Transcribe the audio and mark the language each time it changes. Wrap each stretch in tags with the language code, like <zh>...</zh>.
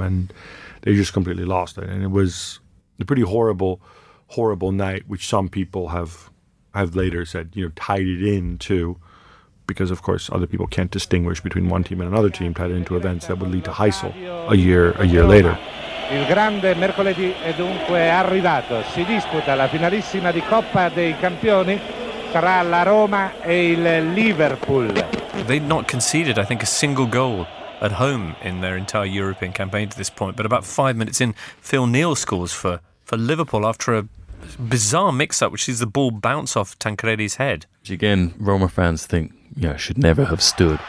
<en>And they just completely lost it. And it was a pretty horrible, horrible night, which some people have later said, you know, tied it in to, because of course other people can't distinguish between one team and another team, tied it into events that would lead to Heysel a year later.</en> <it>Il grande mercoledì è dunque arrivato. Si disputa la finalissima di Coppa dei Campioni tra la Roma e il Liverpool.</it> <en>They've not conceded, I think, a single goal at home in their entire European campaign to this point. But about 5 minutes in, Phil Neal scores for Liverpool after a bizarre mix-up, which sees the ball bounce off Tancredi's head. Which again, Roma fans think, you know, should never have stood.</en>